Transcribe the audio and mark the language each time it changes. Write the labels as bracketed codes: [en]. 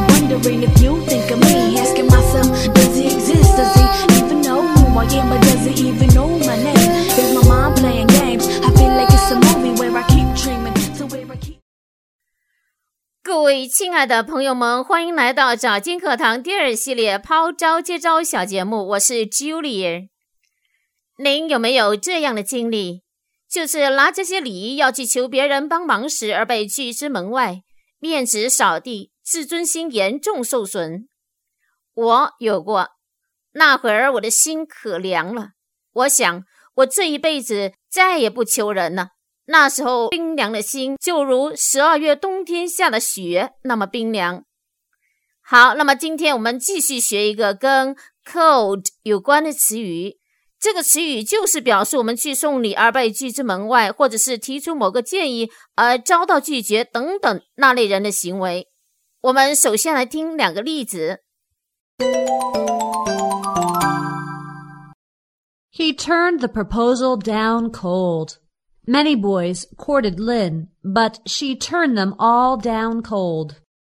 [en] wondering if you think of me. Asking myself, does he exist? Does he even know who I am? Or does he even know my name? Is my mind playing games? I feel like it's a movie where I keep dreaming. [zh] 各位亲爱的朋友们，欢迎来到找金课堂第二系列抛招接招小节目，我是 Julie。您有没有这样的经历，就是拿这些礼仪要去求别人帮忙时而被拒之门外，面子扫地，自尊心严重受损？我有过，那会儿我的心可凉了，我想我这一辈子再也不求人了。那时候冰凉的心就如12月冬天下的雪那么冰凉。好，那么今天我们继续学一个跟 cold 有关的词语。这个词语就是表示我们去送礼而被拒之门外，或者是提出某个建议而遭到拒绝等等那类人的行为。我们首先来听两个例子。 [en] He turned the proposal down cold. Many boys courted Lynn, but she turned them all down cold.